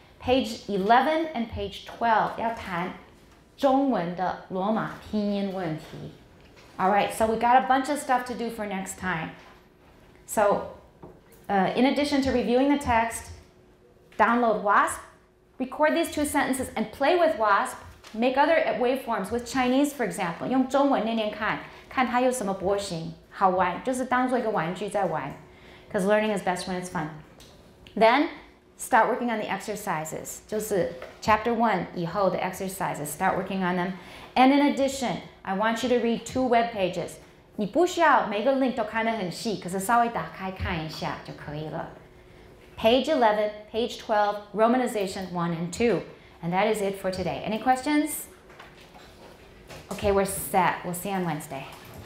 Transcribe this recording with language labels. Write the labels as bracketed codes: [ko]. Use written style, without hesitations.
[en] Page 11 and page 12 [zh] 要谈中文的罗马拼音问题。 [en] All right, so we got a bunch of stuff to do for next time. So, in addition to reviewing the text, download WASP, record these two sentences, and play with WASP, make other waveforms with Chinese, for example. [zh] 用中文念念看，看它有什么波形，好玩，就是当作一个玩具在玩。 [en] Because learning is best when it's fun. Then, start working on the exercises. [zh] 就是 [en] chapter one [zh] 以后的 [en] exercises, start working on them. And in addition,I want you to read two web pages. [zh] 你不需要每个 link 都看得很细，可是稍微打开看一下就可以了。 [en] Page 11, page 12, Romanization 1 and 2. And that is it for today. Any questions? Okay, we're set. We'll see you on Wednesday.